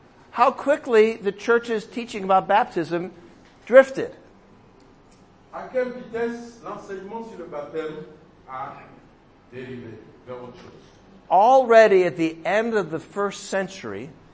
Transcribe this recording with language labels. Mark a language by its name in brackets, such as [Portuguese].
[English] How quickly the church's teaching about baptism drifted. [French] À quelle vitesse l'enseignement sur le baptême a dérivé vers autre chose. [English] Already at the end of the first century,